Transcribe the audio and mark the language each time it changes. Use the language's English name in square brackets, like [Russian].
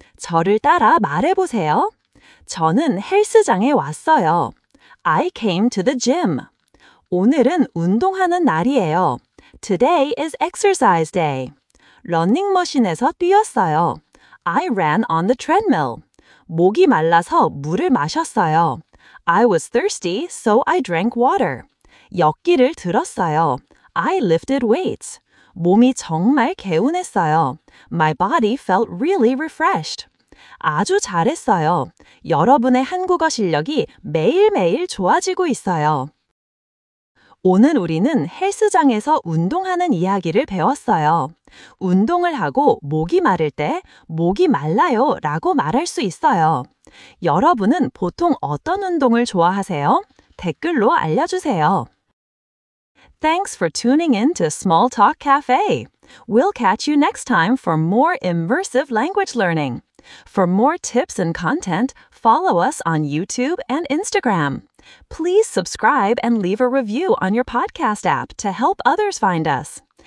[Korean] 저를 따라 말해보세요. 저는 헬스장에 왔어요. [English] I came to the gym. [Korean] 오늘은 운동하는 날이에요. [English] Today is exercise day. [Korean] 러닝머신에서 뛰었어요. [English] I ran on the treadmill. [Korean] 목이 말라서 물을 마셨어요. [English] I was thirsty, so I drank water. [Korean] 역기를 들었어요. [English] I lifted weights. [Korean] 몸이 정말 개운했어요. [English] My body felt really refreshed. [Korean] 아주 잘했어요. 여러분의 한국어 실력이 매일매일 좋아지고 있어요. 오늘 우리는 헬스장에서 운동하는 이야기를 배웠어요. 운동을 하고 목이 마를 때 목이 말라요 라고 말할 수 있어요. 여러분은 보통 어떤 운동을 좋아하세요? 댓글로 알려주세요. [English] Thanks for tuning in to Small Talk Cafe. We'll catch you next time for more immersive language learning. For more tips and content, follow us on YouTube and Instagram. Please subscribe and leave a review on your podcast app to help others find us.